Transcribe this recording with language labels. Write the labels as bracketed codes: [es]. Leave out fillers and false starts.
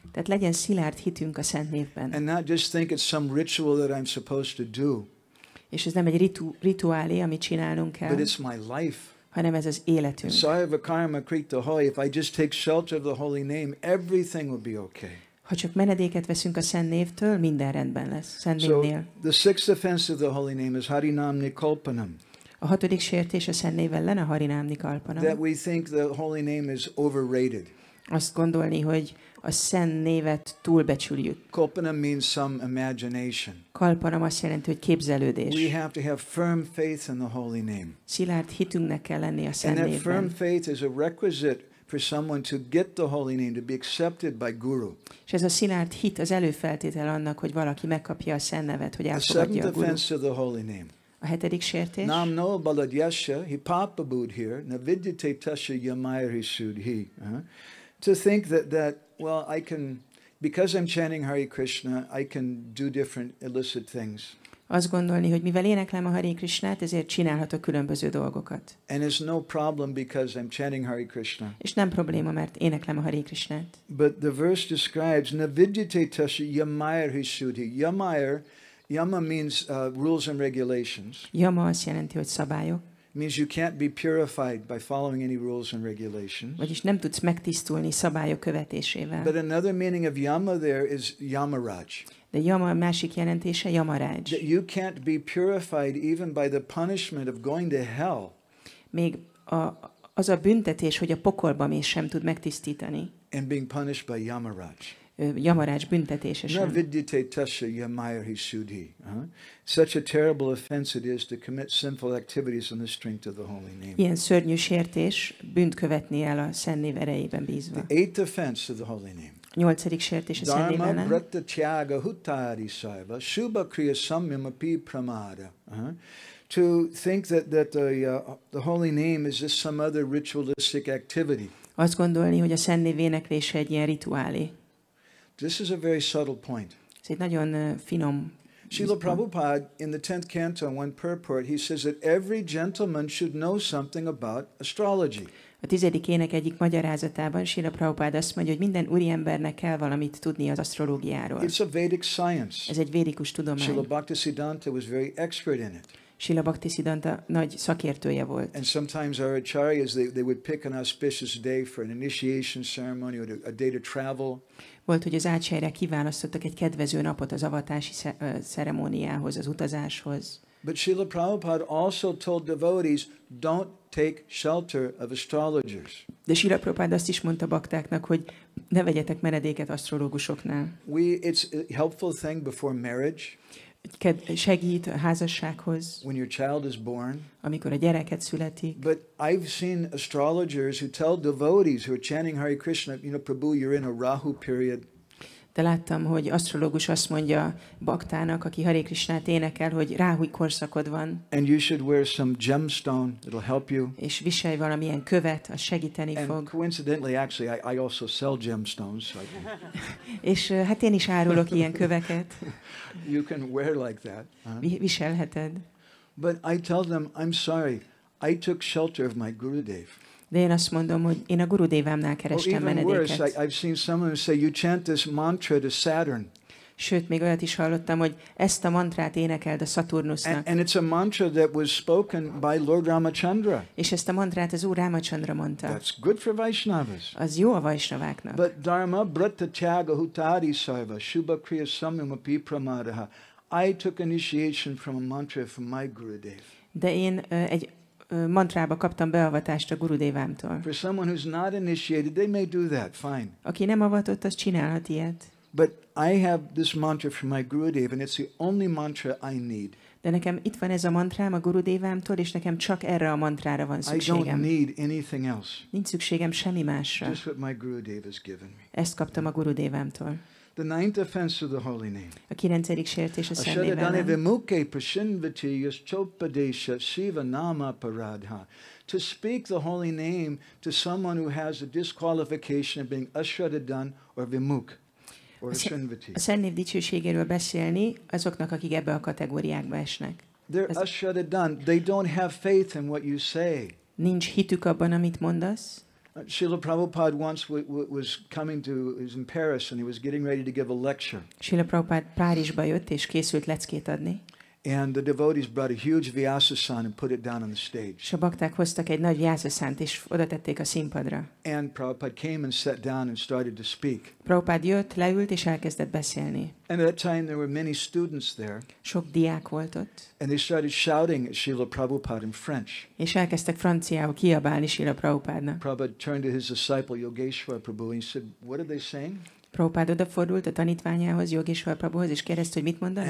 [hu] Tehát legyen szilárd hitünk a szent névben. [en] And not just think it's some ritual that I'm supposed to do. [hu] És ez nem egy rituálé, amit csinálnunk kell. [en] But it's my life. [hu] Hanem ez az életünk. [sa] Sarvakarma krita hoy, [en] if I just take shelter of the holy name, everything will be okay. [hu] Ha csak menedéket veszünk a szent névtől, minden rendben lesz. Szent névnél. [en] So the sixth offense of the holy name is harinam nikalpanam. [hu] A hatodik sértés a szent névvel lenne harinam nikalpanam. [en] That we think the holy name is overrated. [hu] Azt gondolni, hogy a szent névet túlbecsüljük. [en] Kalpanam means some imagination. [hu] Kalpanam azt jelenti, hogy képzelődés. [en] We have to have firm faith in the holy name. [hu] Szilárd hitünknek kell lenni a szent [en] And [hu] névben. [en] And that firm faith is a requisite for someone to get the holy name, to be accepted by guru. [hu] És ez a szilárd hit az előfeltétel annak, hogy valaki megkapja a szent nevet, hogy elfogadja a guru. [en] The seventh offense of the holy name. [hu] A hetedik sértés. [sa] Nam no baladyasya hipapabudhir navidyate tasya yamayarishudhi. [en] To think that well, I can, because I'm chanting Hare Krishna, I can do different illicit things. [hu] Azt gondolni, hogy mivel éneklem a Hare Krishnát, ezért csinálhatok különböző dolgokat. [en] And it's no problem because I'm chanting Hare Krishna. [hu] És nem probléma, mert éneklem a Hare Krishnát. [en] But the verse describes [sa] navidyate tasya yamayarishudhi. [en] Yama means rules and regulations. [hu] Yama azt jelenti, hogy szabályok. [en] Means you can't be purified by following any rules and regulations. [hu] Vagyis nem tudsz megtisztulni szabályok követésével. [en] But another meaning of yama there is yamaraj. [hu] De yama másik jelentése yamaraj. [en] That you can't be purified even by the punishment of going to hell. [hu] Még az a büntetés, hogy a pokolba mész, sem tud megtisztítani. [en] And being punished by yamaraj. [hu] Yamaraj büntetése sem. [sa] Navidyate tasya yamayarishudhi. [en] Such a terrible offense it is to commit sinful activities on the strength of the holy name. [hu] Ilyen szörnyű sértés, bűnt követni el a szent név erejében bízva. [en] The eighth offense of the holy name. [hu] Nyolcadik sértés a szent név ellen. [sa] Dharma bratta tyaga hutari saiva shubha kriya samyam api pramada. [en] To think that the holy name is just some other ritualistic activity. [hu] Azt gondolni, hogy a szent név éneklése egy ilyen rituálé. [en] This is a very subtle point. [hu] Ez egy nagyon finom. [en] Śrīla Prabhupāda, in the 10th canto, in one purport, he says that every gentleman should know something about astrology. [hu] A 10. ének egyik magyarázatában Śrīla Prabhupāda azt mondja, hogy minden úriembernek kell valamit tudni az asztrológiáról. [en] It's a Vedic science. [hu] Ez egy védikus tudomány. [en] Śrīla Bhaktisiddhānta was very expert in it. [hu] Śrīla Bhaktisiddhānta nagy szakértője volt. [en] And sometimes our acharyas, they would pick an auspicious day for an initiation ceremony or a day to travel. [hu] Volt, hogy az ácsejre kiválasztottak egy kedvező napot az avatási ceremóniához, az utazáshoz. [en] But Śrīla Prabhupāda also told devotees, don't take shelter of astrologers. [hu] De Śrīla Prabhupāda azt is mondta baktáknak, hogy ne vegyetek menedéket asztrológusoknál. [en] It's a helpful thing before marriage. [hu] Segít a házassághoz. [en] When your child is born. [hu] Amikor a gyereket születik. [en] But I've seen astrologers who tell devotees who are chanting Hare Krishna, you know, Prabhu, you're in a Rahu period. [hu] De láttam, hogy asztrológus azt mondja baktának, aki Hare Krishnát énekel, hogy Rahu korszakod van. [en] And you should wear some gemstone, it'll help you. [hu] És viselj valamilyen követ, az segíteni [en] and [hu] fog. [en] And coincidentally, actually, I also sell gemstones. So I can... [hu] És hát én is árulok ilyen köveket. [en] You can wear like that. [hu] Huh? Viselheted. [en] But I tell them, I'm sorry, I took shelter of my Gurudev. [hu] De én azt mondom, hogy én a gurudévámnál kerestem menedéket. [en] I've seen someone say you chant this mantra to Saturn. [hu] Sőt, még olyat is hallottam, hogy ezt a mantrát énekeld a Szaturnusznak. [en] And it's a mantra that was spoken by Lord Ramachandra. [hu] És ezt a mantrát az Úr Ramachandra mondta. [en] That's good for Vaishnavas. [hu] Az jó a Vaishnaváknak. [sa] But dharma bratta tyaga hutari sarva shubha kriya samyama pi pramadaha. [en] I took initiation from a mantra from my Gurudev. [hu] De én egy mantrába kaptam beavatást a Gurudevámtól. [en] For someone who's not initiated, they may do that, fine. [hu] Aki nem avatott, az csinálhat ilyet. [en] But I have this mantra from my Gurudev, and it's the only mantra I need. [hu] De nekem itt van ez a mantrám a Gurudevámtól, és nekem csak erre a mantrára van szükségem. [en] I don't need anything else. [hu] Nincs szükségem semmi másra. [en] Just what my Gurudev has given me. [hu] Ezt kaptam a Gurudevámtól. [en] The ninth offense of the holy name. [hu] A kilencedik sértés a szent névvel. [sa] Ashadane vimukhe prashinvati yaschopadesha sivanama paradha. [en] To speak the holy name to someone who has a disqualification of being ashradadan or vimukh. [hu] A szent név dicsőségéről beszélni azoknak, akik ebbe a kategóriákba esnek. [en] They're ashradadan. They don't have faith in what you say. [hu] Nincs hitük abban, amit mondasz. [en] Srila Prabhupada once was coming to, he was in Paris and he was getting ready to give a lecture. [hu] Srila Prabhupada Párizsba jött és készült leckét adni. [en] And the devotees brought a huge vyasasan and put it down on the stage. [hu] S a bakták hoztak egy nagy vyasasant és oda tették a színpadra. [en] And Prabhupada came and sat down and started to speak. [hu] Prabhupada jött, leült és elkezdett beszélni. [en] And at that time there were many students there. [hu] Sok diák volt ott. [en] And they started shouting at Srila Prabhupada in French. [hu] És elkezdtek franciául kiabálni Srila Prabhupádnak. [en] Prabhupada turned to his disciple Yogeshwar Prabhu and he said, "What are they saying?" [hu] Prabhupád odafordult a tanítványához, Yogeshwar Prabhuhoz, és kérdezte, hogy mit mondanak?